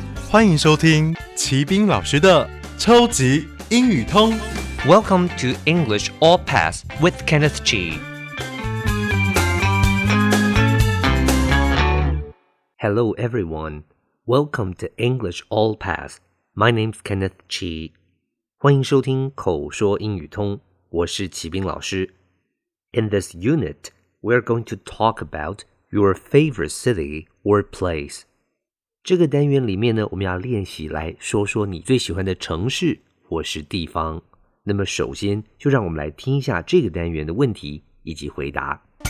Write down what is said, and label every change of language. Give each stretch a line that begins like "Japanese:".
Chinese: 欢迎收听齐斌老师的超级英语通。
English: Welcome to English All Pass with Kenneth Chi. Hello, everyone. Welcome to English All Pass. My name's Kenneth Chi.
Chinese: 欢迎收听口说英语通，我是齐斌老师。
English: In this unit, we're going to talk about your favorite city or place.
Chinese: 这个单元里面呢，我们要练习来说说你最喜欢的城市或是地方。那么首先就让我们来听一下这个单元的问题以及回答。